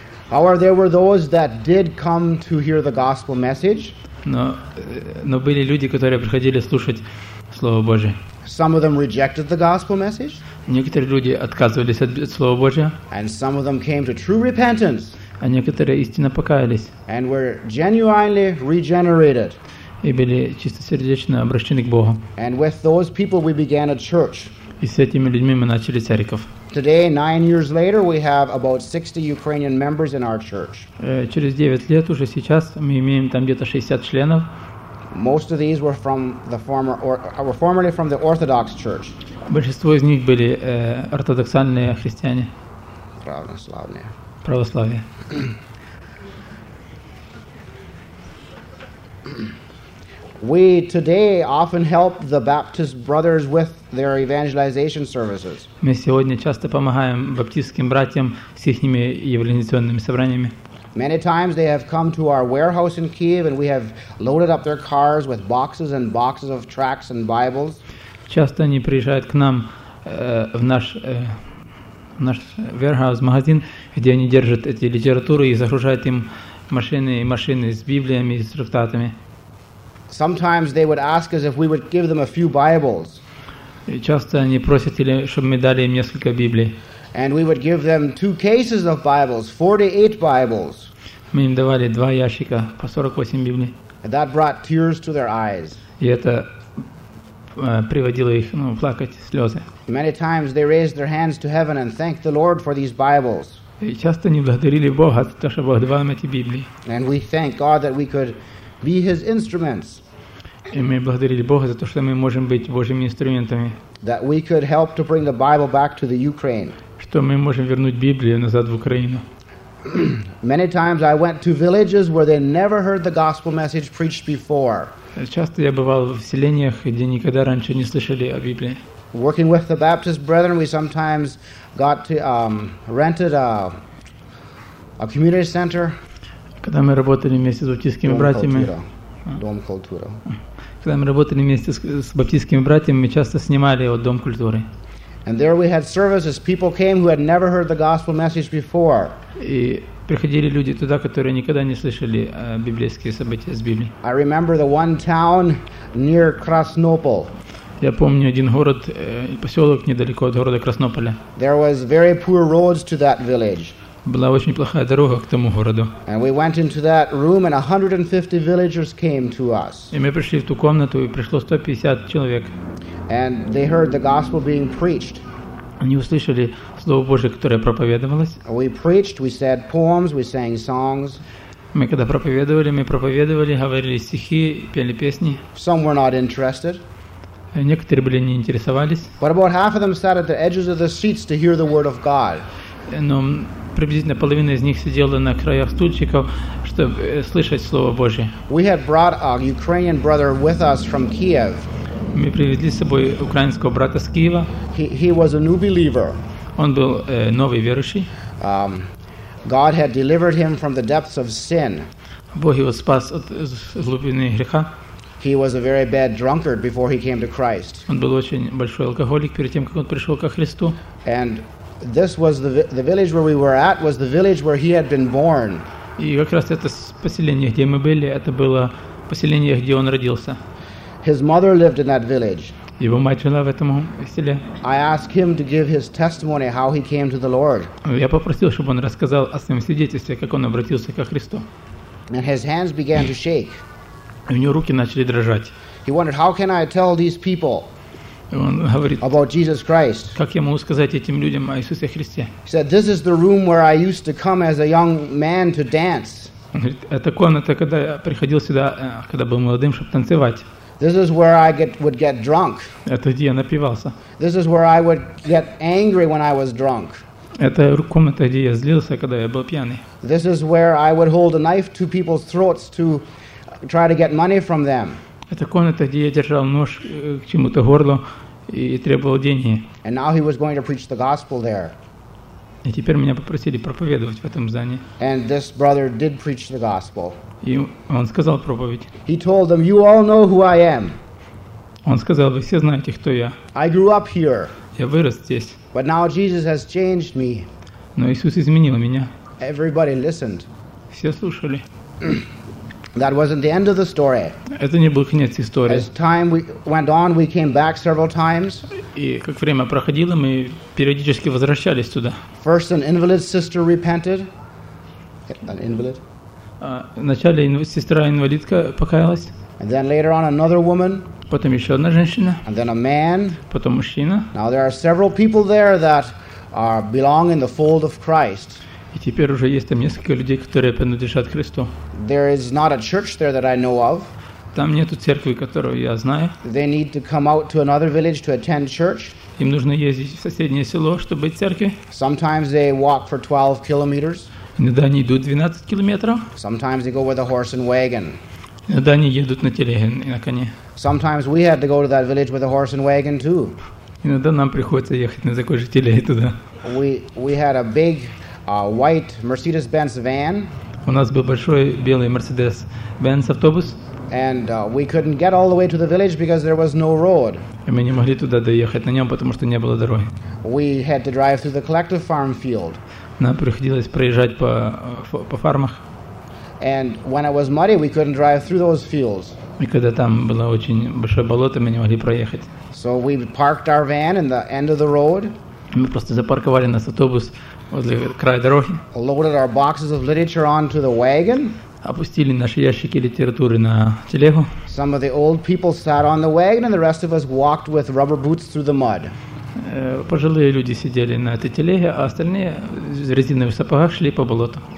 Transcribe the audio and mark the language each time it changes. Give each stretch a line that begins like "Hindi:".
English: However, there were those that did come to hear the gospel message.
Russian: Но были люди, которые приходили слушать Слово Божие.
English: Some of them rejected the gospel message.
Russian: Некоторые люди отказывались от Слова Божия.
English: And some of them came to true repentance.
Russian: А некоторые истинно покаялись.
English: And were genuinely regenerated.
Russian: И были чистосердечно обращены к Богу.
English: And with those people we began a church.
Russian: И с этими людьми мы начали церковь.
English: Today, 9 years later, we have about 60 Ukrainian members in our church.
Russian: Через 9 лет уже сейчас мы имеем там где-то 60 членов.
English: Most of these were from the former or were formerly from the Orthodox Church.
Russian: Большинство из них были ортодоксальные христиане. Православные. Православие. Православие.
English: We today often help the Baptist brothers with their evangelization services.
Russian: Мы сегодня часто помогаем баптистским братьям с ихними евангелизационными собраниями.
English: Many times they have come to our warehouse in Kyiv and we have loaded up their cars with boxes and boxes of tracts and Bibles.
Russian: Часто они приезжают к нам в наш warehouse магазин, где они держат эти литературы и загружают им машины с Библиями и с трактатами.
English: Sometimes they would ask us if we would give them a few Bibles.
Russian: Часто они просят, чтобы мы дали им несколько Библий.
English: And we would give them two cases of Bibles, 48 Bibles.
Russian: Мы им давали два ящика по 48 Библий.
English: That brought tears to their eyes.
Russian: И это приводило их, плакать слезы.
English: Many times they raised their hands to heaven and thanked the Lord for these Bibles.
Russian: И часто они благодарили Бога за то, что Бог дал им эти Библии.
English: And we thank God that we could be His instruments.
Russian: И мы благодарили Бога за то, что мы можем быть Божьими инструментами.
English: That we could help to bring the Bible back to the Ukraine.
Russian: Что мы можем вернуть Библию назад в Украину.
English: Many times I went to villages where they never heard the gospel message preached before.
Russian: Часто я бывал в селениях, где никогда раньше не слышали о Библии.
English: Working with the Baptist brethren, we sometimes got to rented a community center.
Russian: Когда мы работали вместе с баптистскими братьями, дом культуры. Когда мы работали вместе с баптистскими братьями, мы часто снимали его дом культуры.
English: And there we had services. People came who had never heard the gospel message before.
Russian: И приходили люди туда, которые никогда не слышали библейские события с Библии.
English: I remember the one town near Краснополь.
Russian: Я помню один город, поселок недалеко от города Краснополя.
English: There was very poor roads to that village.
Russian: Была очень плохая дорога к тому городу.
English: And we went into that room and 150 villagers came to us.
Russian: И мы пришли в ту комнату, и пришло 150 человек.
English: And they heard the gospel being preached.
Russian: Они услышали Слово Божие, которое проповедовалось.
English: We preached, we said poems, we sang songs.
Russian: Мы когда проповедовали, говорили стихи, пели песни.
English: Some were not interested.
Russian: Некоторые были не интересовались.
English: But about half of them sat at the edges of the seats to hear the word of God.
Russian: Но приблизительно половина из них сидела на краях стульчиков, чтобы слышать Слово Божие.
English: We had brought a Ukrainian brother with us from Kyiv.
Russian: Мы привезли с собой украинского брата с Киева.
English: He was a new believer.
Russian: Он был новый верующий.
English: God had delivered him from the depths of sin.
Russian: Бог его спас от глубины греха.
English: He was a very bad drunkard before he came to Christ.
Russian: Он был очень большой алкоголик перед тем, как он пришел ко Христу.
English: And this was the village where we were at was the village where he had been born.
Russian: И как раз это поселение, где мы были, это было поселение, где он родился.
English: His mother lived in that village.
Russian: Его мать жила в этом селе.
English: I asked him to give his testimony how he came to the Lord.
Russian: Я попросил, чтобы он рассказал о своем свидетельстве, как он обратился ко Христу.
English: And his hands began to shake.
Russian: И у него руки начали дрожать.
English: He wondered, how can I tell these people?
Russian: Он говорит,
English: about Jesus Christ.
Russian: Как я могу сказать этим людям о Иисусе Христе?
English: He said, this is the room where I used to come as a young man to dance.
Russian: Он говорит, это комната, когда я приходил сюда, когда был молодым, чтобы танцевать.
English: This is where I would get drunk.
Russian: Это где я напивался.
English: This is where I would get angry when I was drunk.
Russian: Это комната, где я злился, когда я был пьяный.
English: This is where I would hold a knife to people's throats to try to get money from them.
Russian: Это комната, где я держал нож к чему-то горлу и требовал деньги.
English: And now he was going to preach the gospel there.
Russian: И теперь меня попросили проповедовать в этом здании.
English: And this brother did preach the gospel.
Russian: И он сказал проповедь.
English: He told them, "You all know who I am."
Russian: Он сказал, вы все знаете, кто я.
English: I grew up here.
Russian: Я вырос здесь.
English: But now Jesus has changed me.
Russian: Но Иисус изменил меня.
English: Everybody listened.
Russian: Все слушали.
English: That wasn't the end of the story.
Russian: Это не был конец истории.
English: As time went on, we came back several times.
Russian: И как время проходило, мы периодически возвращались туда.
English: First, an invalid sister repented. An invalid.
Russian: Вначале сестра-инвалидка покаялась.
English: And then later on, another woman.
Russian: Потом еще одна женщина.
English: And then a man.
Russian: Потом мужчина.
English: Now there are several people there that belong in the fold of Christ.
Russian: И теперь уже есть там несколько людей, которые принадлежат Христу.
English: There is not a church there that I know of.
Russian: Там нету церкви, которую я знаю.
English: They need to come out to another village to attend church.
Russian: Им нужно ездить в соседнее село, чтобы быть в церкви.
English: Sometimes they walk for 12 kilometers.
Russian: Иногда они идут 12 километров.
English: Sometimes they go with a horse and wagon.
Russian: Иногда они едут на телеге и на коне.
English: Sometimes we had to go to that village with a horse and wagon too.
Russian: Иногда нам приходится ехать на такой же телеге туда.
English: We had a big white Mercedes-Benz van.
Russian: У нас был большой белый Mercedes-Benz автобус.
English: And we couldn't get all the way to the village because there was no road.
Russian: И мы не могли туда доехать на нем, потому что не было дороги.
English: We had to drive through the collective farm field.
Russian: Нам приходилось проезжать по фармах.
English: And when it was muddy, we couldn't drive through those fields.
Russian: И когда там было очень большое болото, мы не могли проехать.
English: So we parked our van in the end of the road.
Russian: Мы просто запарковали наш автобус возле края дороги.
English: Loaded our boxes of literature onto the wagon.
Russian: Опустили наши ящики литературы на телегу.
English: Some of the old people sat on the wagon, and the rest of us walked with rubber boots through the mud.
Russian: Пожилые люди сидели на этой телеге, а остальные в резиновых сапогах шли по болоту.